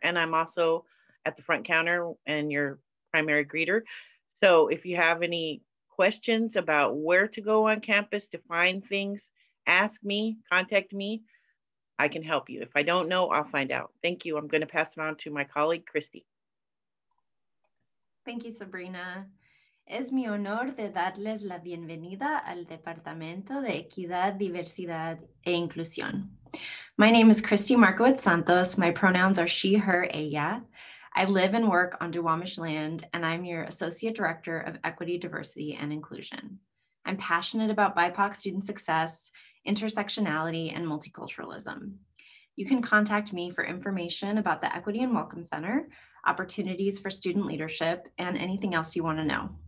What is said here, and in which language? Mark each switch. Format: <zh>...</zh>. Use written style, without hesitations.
<en>And I'm also at the front counter and your primary greeter. So if you have any questions about where to go on campus to find things, ask me, contact me. I can help you. If I don't know, I'll find out. Thank you. I'm going to pass it on to my colleague, Christy. Thank you, Sabrina.</en> <es>Es mi honor de darles la bienvenida al Departamento de Equidad, Diversidad e Inclusión.</es> <en>My name is Christy Markowitz Santos. My pronouns are she, her, ella. I live and work on Duwamish land, and I'm your Associate Director of Equity, Diversity, and Inclusion. I'm passionate about BIPOC student success, intersectionality, and multiculturalism. You can contact me for information about the Equity and Welcome Center, opportunities for student leadership, and anything else you want to know.</en>